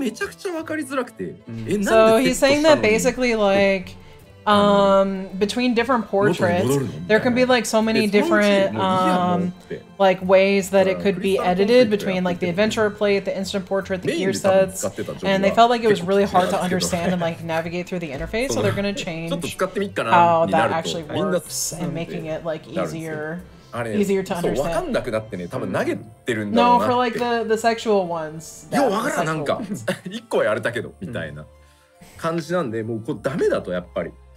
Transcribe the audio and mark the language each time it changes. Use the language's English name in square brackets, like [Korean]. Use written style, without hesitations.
[Japanese] まずポートレートこうたくさん作るんですけど、それらをさらにですね、アドベンチャラプレートにも適用できるし、コンテンツ用ポートレートにもできるし、ギアセットにも関連付けられるっていう、自由度が一見高いんですけど、結果めちゃくちゃわかりづらくて、なんで。So [English] he's saying that basically like between different portraits, there can be like so many different like ways that it could be edited between like the adventure plate, the instant portrait, the gear sets, and they felt like it was really hard to understand and like navigate through the interface. So they're gonna change how that actually works and making it like easier to understand. No, for like the sexual ones. [Japanese] よわからなんか一個やれたけどみたいな感じなんで、もうこうダメだとやっぱり。